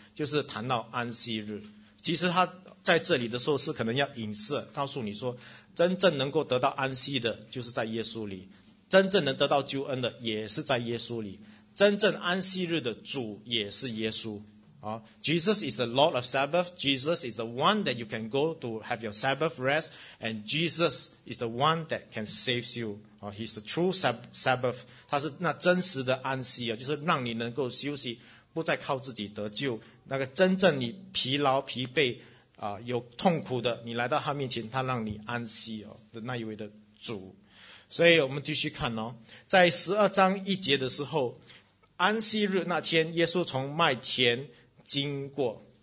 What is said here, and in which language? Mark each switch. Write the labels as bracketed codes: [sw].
[zh] 就是谈到安息日，其实他在这里的时候是可能要影射，告诉你说，真正能够得到安息的，就是在耶稣里；真正能得到救恩的，也是在耶稣里；真正安息日的主也是耶稣。 [en] Jesus is the Lord of Sabbath. Jesus is the one that you can go to have your Sabbath rest, and Jesus is the one that can save you. He's the true Sabbath. [zh] 他是那真实的安息啊，就是让你能够休息。不再靠自己得救，那个真正你疲劳疲惫有痛苦的，你来到他面前，他让你安息的那一位的主。所以我们继续看在十二章一节的时候，安息日那天，耶稣从麦田经过。